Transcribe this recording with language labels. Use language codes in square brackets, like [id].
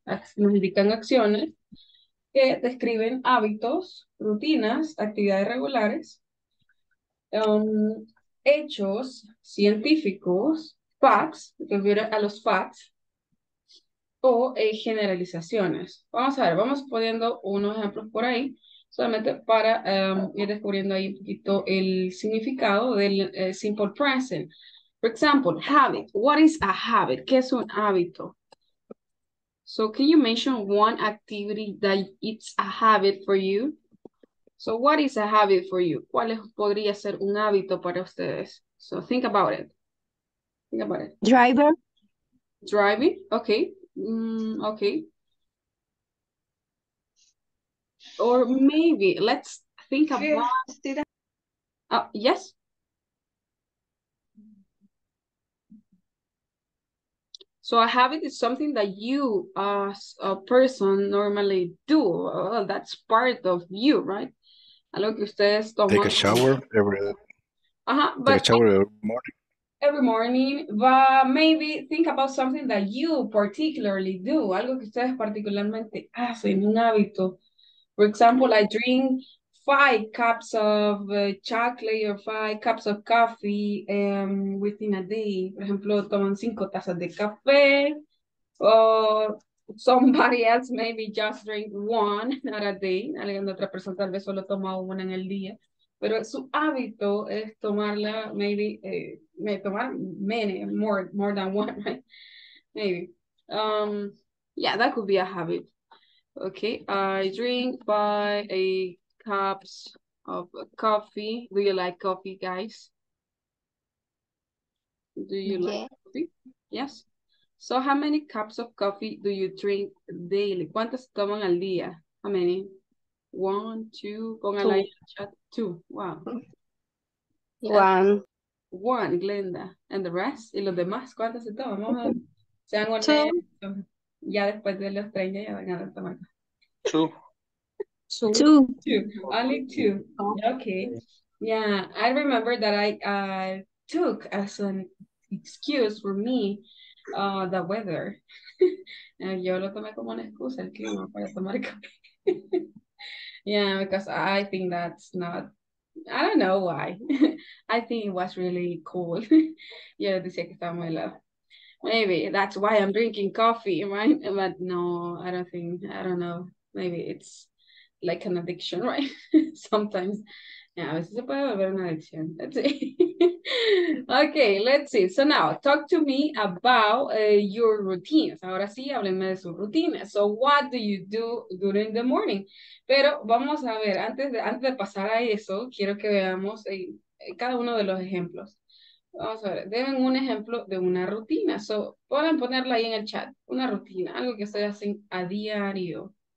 [es] Nos indican acciones que describen hábitos, rutinas, actividades regulares, hechos científicos, facts, me refiero a los facts, o generalizaciones. Vamos a ver, vamos poniendo unos ejemplos por ahí, solamente para ir descubriendo ahí un poquito el significado del simple present. [en] For example, habit. What is a habit? [es] ¿Qué es un hábito? [en] So, can you mention one activity that it's a habit for you? So, what is a habit for you? [es] ¿Cuál es, podría ser un hábito para ustedes? [en] So, think about it. Think about it. Driver. Driving. Okay. Okay. Or maybe, let's think about... yes? So a habit is something that you as a person normally do. Well, that's part of you, right? [es] Algo que ustedes toman. [en] Take a shower every day. Uh-huh, take a shower every morning. Every morning. But maybe think about something that you particularly do. [es] Algo que ustedes particularmente hacen, un hábito. [en] For example, I drink 5 cups of chocolate or 5 cups of coffee within a day. [es] Por ejemplo, toman 5 tazas de café. [en] Or somebody else maybe just drink one not a day. [es] Alguien de otra persona tal vez solo toma una en el día. Pero su hábito es tomarla, [en] maybe, tomar many, more than one, right? Maybe. Yeah, that could be a habit. Okay, I drink 5 cups of coffee. Do you like coffee, guys? Do you like coffee? Yes. So how many cups of coffee do you drink daily? [es] ¿Cuántas toman al día? [en] How many? [es] 1, 2, póngala ahí en el chat. 2, wow. [en] Yeah. One. One, Glenda. And the rest? [es] ¿Y los demás cuántas se toman? Vamos a ver. Sean honestos. Ya después de los 30 ya van a tomar. [en] Two. Only two. Okay. Yeah, I remember that I took as an excuse for me the weather. [es] Yo lo tomé como una excusa el clima para tomar café. [en] Yeah, because I think that's not, I don't know why. I think it was really cool. [es] Yo decía que estaba muy helado. [en] Maybe that's why I'm drinking coffee, right? But no, I don't think, I don't know. Maybe it's like an addiction, right? Sometimes. [es] Yeah, a veces se puede volver una adicción. [en] Let's see. Okay, let's see. So now, talk to me about your routines. [es] Ahora sí, háblenme de sus rutinas. [en] So what do you do during the morning? [es] Pero vamos a ver, antes de pasar a eso, quiero que veamos cada uno de los ejemplos. Vamos a ver, deben un ejemplo de una rutina. So, pueden ponerla ahí en el chat. Una rutina, algo que ustedes hacen a diario.